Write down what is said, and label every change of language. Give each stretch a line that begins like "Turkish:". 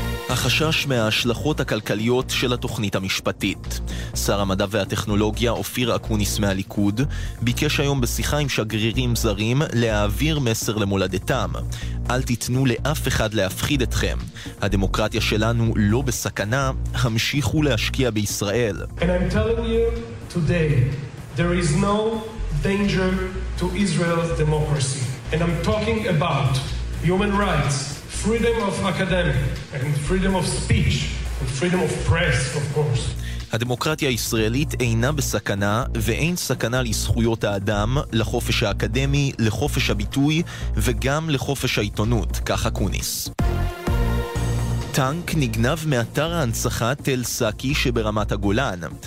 Hebrew: החשש מההשלכות הכלכליות של התוכנית המשפטית. שר המדע והטכנולוגיה אופיר אקוניס מהליכוד ביקש היום בשיחה עם שגרירים זרים להעביר מסר למולדתם. אל תיתנו לאף אחד להפחיד אתכם. הדמוקרטיה שלנו לא בסכנה, המשיכו להשקיע בישראל.
English: And I'm telling you today, there is no danger to Israel's democracy. And I'm talking about human rights. freedom of academic and freedom of speech and freedom of press of course
Hebrew: הדמוקרטיה הישראלית אינה בסכנה ואין סכנה לזכויות האדם לחופש האקדמי לחופש הביטוי וגם לחופש העיתונות ככה קוניס טנק נגנב מאתר ההנצחה תל סאקי שברמת הגולן.